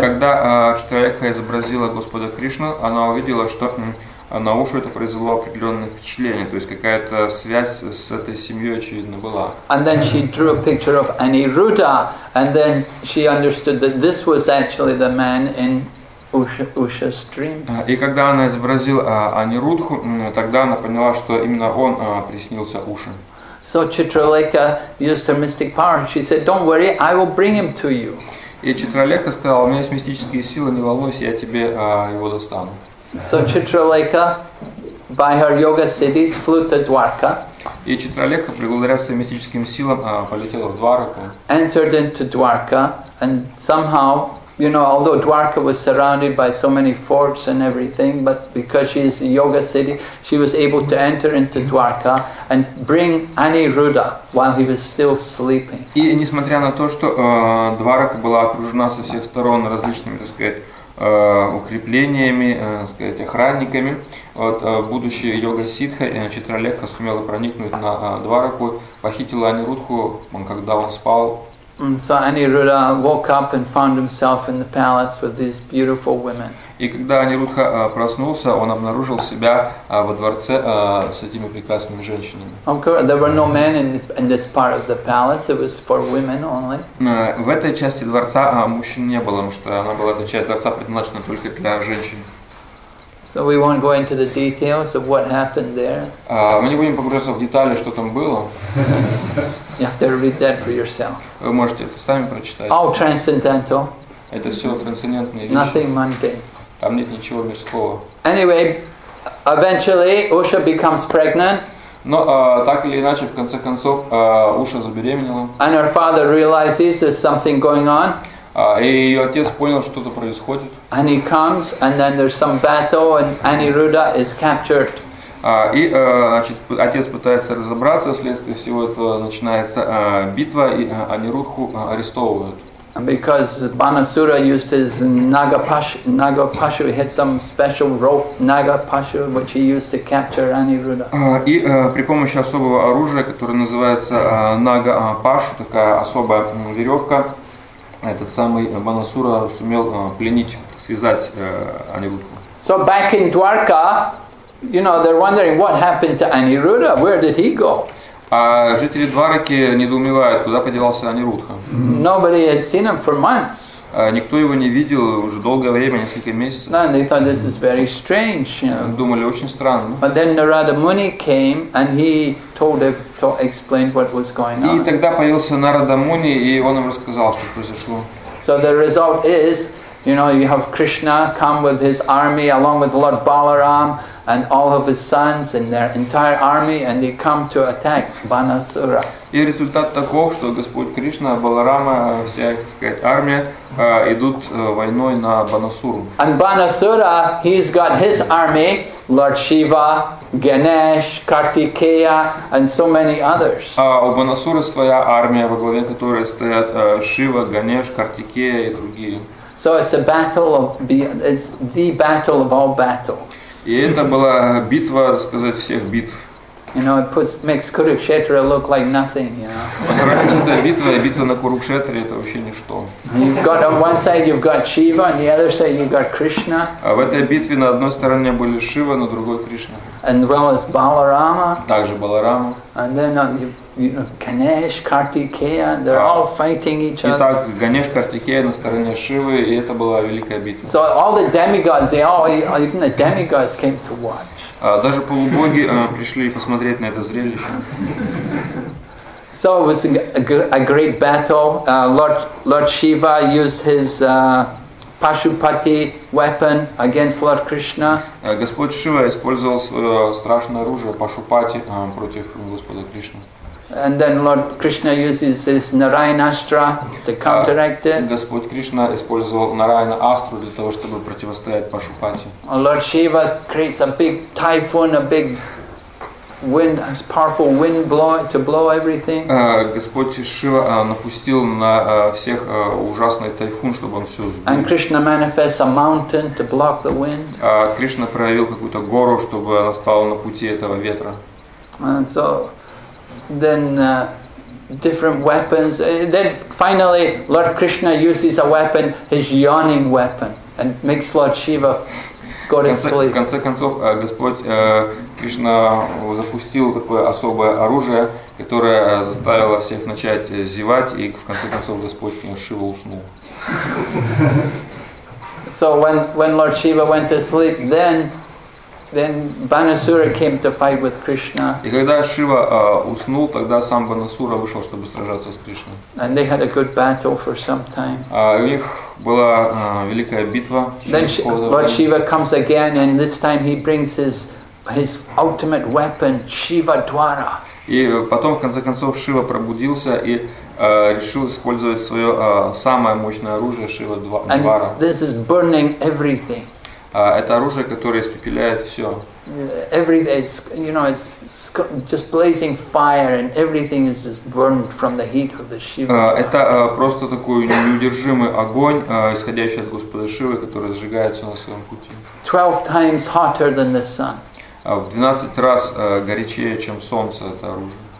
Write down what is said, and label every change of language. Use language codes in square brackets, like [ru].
[ru] Когда Читралека изобразила Господа Кришну, она увидела, что на Ушу это произвело определенное впечатление, то есть какая-то связь с этой семьей, очевидно, была. [en] And then she drew a picture of Aniruddha, and then she understood that this was actually the man in Usha's dream. [ru] И когда она изобразила Анирудху, тогда она поняла, что именно он приснился Уши. [en] So Chitraleka used her mystic power. She said, "Don't worry, I will bring him to you." [ru] И Читралека сказала: "У меня есть мистические силы, не волнуйся, я тебе его достану." [en] So Chitraleka, by her yoga siddhis, flew to Dwarka. [ru] И Читралека, благодаря своим мистическим силам, полетела в Двараку. [en] Entered into Dwarka, and somehow, you know, although Dwarka was surrounded by so many forts and everything, but because she is a yoga city, she was able to enter into Dwarka and bring Aniruddha while he was still sleeping. [ru] И несмотря на то, что Дварака была окружена со всех сторон различными, так сказать, укреплениями, сказать, охранниками. Вот будущая йога ситха Читралекха сумела проникнуть на Двараку, похитила Анирудху, когда он спал. [en] So Aniruddha woke up and found himself in the palace with these beautiful women. [ru] И когда Анирудха проснулся, он обнаружил себя во дворце с этими прекрасными женщинами. [en] There were no men in this part of the palace. It was for women only. [ru] В этой части дворца мужчин не было, потому что она была эта часть дворца предназначена только для женщин. [en] So we won't go into the details of what happened there. [ru] Мы не будем погружаться в детали, что там было. [en] You have to read that for yourself. [ru] Вы можете это сами прочитать. [en] All transcendental. [ru] Это все трансцендентные вещи. [en] Nothing mundane. [ru] Там нет ничего мирского. [en] Anyway, eventually Usha becomes pregnant. [ru] Но так или иначе, в конце концов, Уша забеременела. [en] And her father realizes there's something going on. [ru] И ее отец понял, что что-то происходит. [en] And he comes, and then there's some battle, and Aniruddha is captured. [ru] И, значит, отец пытается разобраться, вследствие всего этого начинается битва, и Анируху арестовывают. [en] Because Banasura used his Nagapashu, he had some special rope, Nagapashu, which he used to capture Aniruddha. [ru] И при помощи особого оружия, которое называется Нагапашу, такая особая веревка, этот самый Банасура сумел пленить, связать Анируддху. [en] So back in Dwarka, you know, they're wondering what happened to Aniruddha, where did he go? [ru] А жители Двараки недоумевают, куда подевался Анирудха. [en] Nobody had seen him for months. [ru] Никто его не видел уже долгое время, несколько месяцев. [en] No, they thought this is very strange. [ru] Думали, очень странно. [en] But then Narada Muni came and he told him to explain what was going on. [ru] И тогда появился Нарада Муни, и он им рассказал, что произошло. [en] So the result is, you know, you have Krishna come with his army along with Lord Balaram and all of his sons and their entire army, and they come to attack Banasura. [ru] И результат таков, что Господь Кришна, Баларама, вся, так сказать, армия идут войной на Банасуру. [en] And Banasura, he's got his army, Lord Shiva, Ganesh, Kartikeya, and so many others. [ru] А у Банасуры своя армия, во главе которой стоят Шива, Ганеш, Картикея и другие. [en] So it's a battle of it's the battle of all battles. [ru] И это была битва, сказать, всех битв. [en] You know, it puts, makes Kurukshetra look like nothing, you know. [ru] Это битва, и битва на Курукшетре это вообще ничто. [en] You've got on one side you've got Shiva, on the other side you've got Krishna. [ru] А в этой битве на одной стороне были Шива, на другой Кришна. [en] And well as Balarama. [ru] Также Баларама. [en] And then you know, Ganesh, Kartikeya, they're all fighting each other. [ru] Итак, Ганеш, Картикея на стороне Шивы, и это была великая битва. [en] So all the demigods, they all, even the demigods came to watch. [ru] Даже полубоги пришли посмотреть на это зрелище. [en] So it was a great battle. Lord Shiva used his Pashupati weapon against Lord Krishna. [ru] Господь Шива использовал свое страшное оружие Пашупати против Господа Кришны. [en] And then Lord Krishna uses his Narayanastra to counteract it. [ru] Господь Кришна использовал Нараяна Астру для того, чтобы противостоять Пашупати. [en] Lord Shiva creates a big typhoon, a big wind, a powerful wind blow to blow everything. [ru] Господь Шива напустил на всех ужасный тайфун, чтобы он все сбил. [en] And Krishna manifests a mountain to block the wind. [ru] Кришна проявил какую-то гору, чтобы она стала на пути этого ветра. [en] And so then different weapons. Then finally, Lord Krishna uses a weapon, his yawning weapon, and makes Lord Shiva go to sleep. [ru] В конце концов, Господь Кришна запустил такое особое оружие, которое заставило всех начать зевать, и в конце концов Господь Шива уснул. [en] So when Lord Shiva went to sleep, then Banasura came to fight with Krishna. [ru] И когда Шива уснул, тогда сам Банасура вышел, чтобы сражаться с Кришной. [en] And they had a good battle for some time. [ru] У них была великая битва. [en] Then Lord Shiva comes again, and this time he brings his ultimate weapon, Shiva Dwara. [ru] И потом, в конце концов, Шива пробудился и решил использовать свое самое мощное оружие Шива Двара. [en] And this is burning everything. [ru] Это оружие, которое испепеляет все. [en] Every day, you know, it's just blazing fire, and everything is just burned from the heat of the Shiva. [ru] Это просто такой неудержимый огонь, исходящий от Господа Шивы, который сжигается на своем пути. [en] 12 times hotter than the sun. [ru] В 12 раз горячее, чем солнце, это оружие.